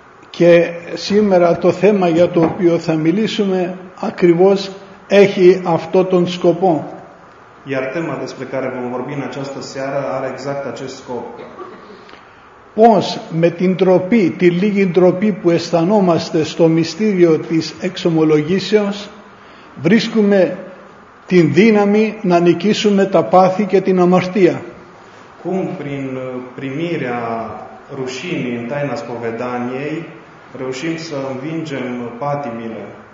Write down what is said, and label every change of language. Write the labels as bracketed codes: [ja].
[el] Και σήμερα το θέμα για το οποίο θα μιλήσουμε ακριβώς έχει αυτό τον σκοπό. [ro] Iar tema despre care vom vorbi în această seară are exact acest scop. [el] Πώς με την ντροπή, τη λίγη ντροπή που αισθανόμαστε στο μυστήριο της εξομολογήσεως, βρίσκουμε την δύναμη να νικήσουμε τα πάθη και την αμαρτία. [ro] Cum prin primirea rușinii în taina spovedaniei reușim să învingem patimile.